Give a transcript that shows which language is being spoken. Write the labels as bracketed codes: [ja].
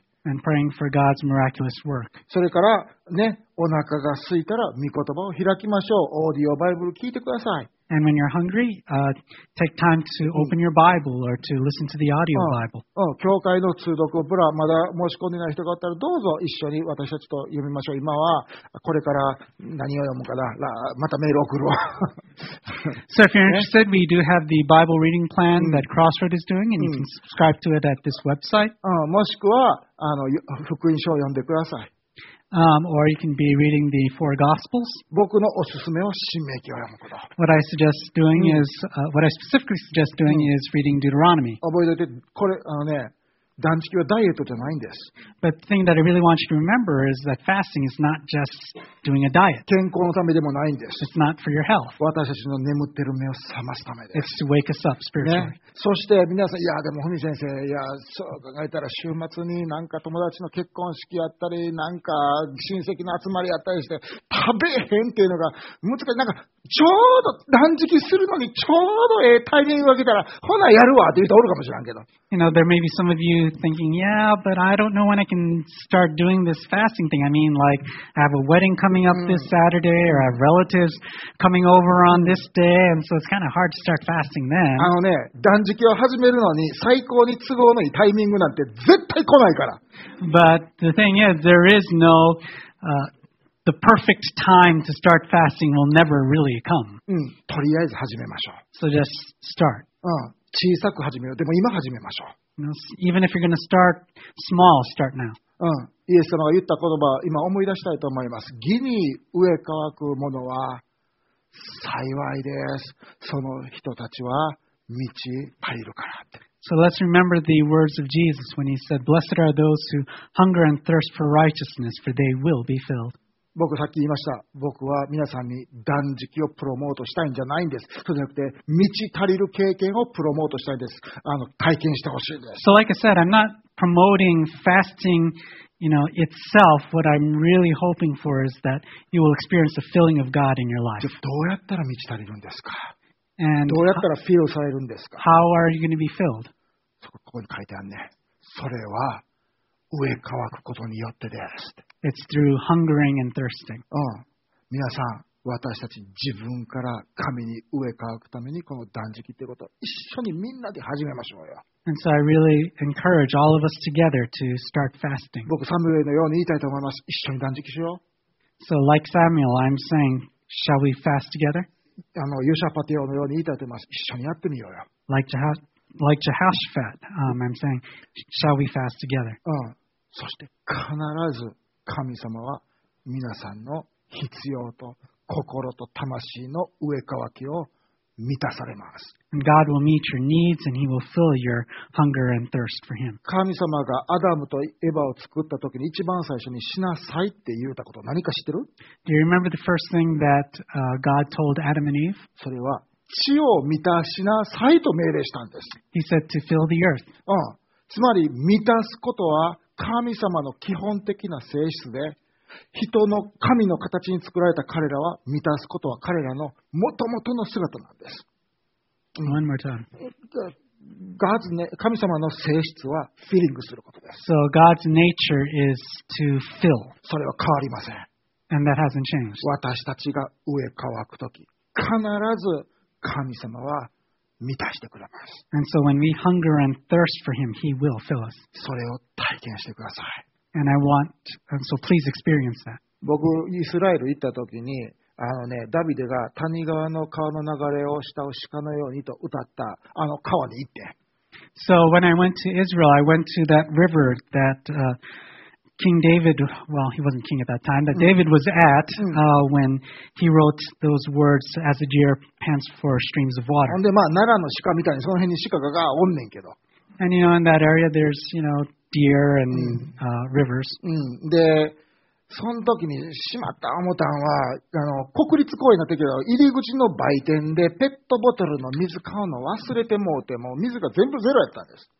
[en] And praying for God's miraculous work. [ja] それからね、お腹が空いたら御言葉を開きましょう。オーディオバイブル聞いてください。 [en] And when you're hungry, take time to open your Bible or to listen to the audio Bible. [ja] 教会の通読ブラまだ申し込んでない人があったらどうぞ一緒に私たちと読みましょう。今はこれから何を読むかな。またメール送るわ。 [en] So if you're interested, we do have the Bible reading plan that Crossroad is doing, and you can subscribe to it at this website. [ja] もしくは福音書を読んでください。 [en] Or you can be reading the four gospels. [ja] 僕のおすすめは申命記を読むこと。 [en] What I suggest doing is, what I specifically suggest doing is reading Deuteronomy. [ja] 覚えておいて、これ、断食はダイエットじゃないんです。 [en] But the thing that I really want you to remember is that fasting is not just doing a diet. [ja] 健康のためでもないんです。 [en] It's not for your health. [ja] 私たちの眠ってる目を覚ますためです。 [en] It's to wake us up spiritually. [ja] ね、そして皆さん、いやでもフミ先生、いやそう考えたら週末になんか友達の結婚式やったり、なんか親戚の集まりやったりして食べへんっていうのが難しい。なんかちょうど断食するのにちょうどええタイミングがきたら、ほなやるわって言うとおるかもしれんけど。 [en] You know, there may be some of you thinking, yeah, but I don't know when I can start doing this fasting thing. I mean, like, I have a wedding coming up this Saturday, or I have relatives coming over on this day, and so it's kind of hard to start fasting then. [ja] あのね、断食を始めるのに最高に都合のいいタイミングなんて絶対来ないから。 [en] But the thing is, there is no, the perfect time to start fasting will never really come. [ja] とりあえず始めましょう。 [en] So just start. [ja] 小さく始めよう。でも今始めましょう。 [en] Even if you're going to start small, start now. [ja] イエス様が言った言葉を今思い出したいと思います。義に飢え渇く者は幸いです。その人たちは満ち足りるからって。 [en] So let's remember the words of Jesus when he said, Blessed are those who hunger and thirst for righteousness, for they will be filled. [ja] 僕さっき言いました。僕は皆さんに断食をプロモートしたいんじゃないんです。そうじゃなくて、満ち足りる経験をプロモートしたいんです。体験してほしいんです。 [en] So like I said, I'm not promoting fasting you know, itself, what I'm really hoping for is that you will experience the filling of God in your life. [ja] どうやったら満ち足りるんですか? [en] And [ja] どうやったらフィルされるんですか? [en] How are you going to be filled? [ja] そこ、ここに書いてあるね。それは飢え渇くことによってです。 [en] It's through hungering and thirsting. うん。 [ja] 皆さん、私たち自分から神に飢え渇くためにこの断食ってことを一緒にみんなで始めましょうよ。 [en] And so I really encourage all of us together to start fasting. [ja] 僕、サムエルのように言いたいと思います。一緒に断食しよう。 [en] So like Samuel, I'm saying, shall we fast together? [ja] あの、ヨシャパテオのように言いたいと思います。一緒にやってみようよ。 [en] Like Jehoshaphat, I'm saying, shall we fast together? うん。 [ja] そして必ず神様は皆さんの必要と心と魂の飢え渇きを満たされます。 [en] God will meet your needs and he will fill your hunger and thirst for him. [ja] 神様がアダムとエヴァを作った時に一番最初に死なさいって言ったこと何か知ってる? [en] Do you remember the first thing that God told Adam and Eve? [ja] それは地を満たしなさいと命令したんです。 [en] He said to fill the earth. うん。 [ja] つまり満たすことは神様の基本的な性質で、人の神の形に作られた彼らは満たすことは彼らの元々の姿なんです。 [en] One more time. [ja] God's ね、神様の性質はフィリングすることです。 [en] So God's nature is to fill. [ja] それは変わりません。 [en] And that hasn't changed. [ja] 私たちが飢え渇くとき、必ず神様は満たしてくれます。 [en] And so when we hunger and thirst for him, he will fill us. [ja] それを体験してください。 [en] And I want, and so please experience that. [ja] 僕、イスラエル行った時に、あのね、ダビデが谷川の川の流れを慕う鹿のようにと歌った、あの川に行って。 [en] So when I went to Israel, I went to that river that, King David, well, he wasn't king at that time, but David was at when he wrote those words, as a deer pants for streams of water. [ja] で、まあ、奈良の鹿みたいにその辺に鹿がおんねんけど。 [en] And you know, in that area, there's, you know, deer and rivers. [ja] で、その時にしまった思ったんは、あの、国立公園の時は入り口の売店でペットボトルの水買うの忘れてもうて、もう水が全部ゼロやったんです。